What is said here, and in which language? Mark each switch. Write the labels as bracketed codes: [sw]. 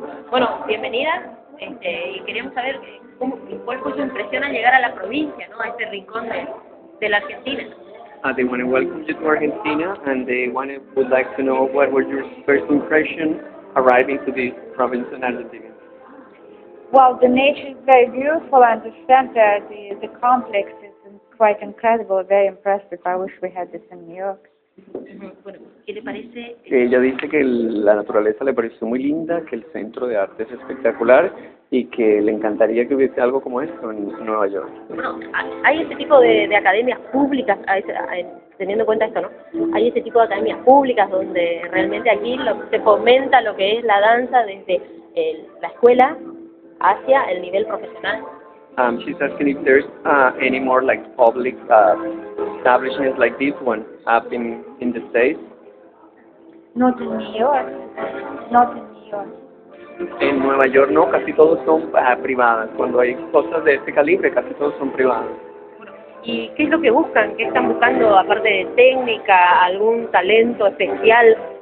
[es] Bueno, bienvenida, y queríamos saber cuál fue su impresión al llegar a la provincia, ¿no? A este rincón de la Argentina. [en] They want to welcome you to Argentina, and they want to, would like to know what were your first impression arriving to this province in Argentina. Well, the nature is very beautiful, and the center, the complex is quite incredible, very impressive. I wish we had this in New York. [es] ¿Qué le parece? Ella dice que la naturaleza le pareció muy linda, que el centro de arte es espectacular y que le encantaría que hubiese algo como esto en Nueva York. Bueno, hay ese tipo de academias públicas, teniendo en cuenta esto, ¿no? Hay ese tipo de academias públicas donde realmente aquí se fomenta lo que es la danza desde la escuela hacia el nivel profesional. [en] She's asking if there's any more like public establishments like this one up in the States. Not in New York. Not in New York. [es] En Nueva York no, casi todos son privadas. Cuando hay cosas de este calibre, casi todos son privadas. ¿Y qué es lo que buscan? ¿Qué están buscando aparte de técnica, algún talento especial?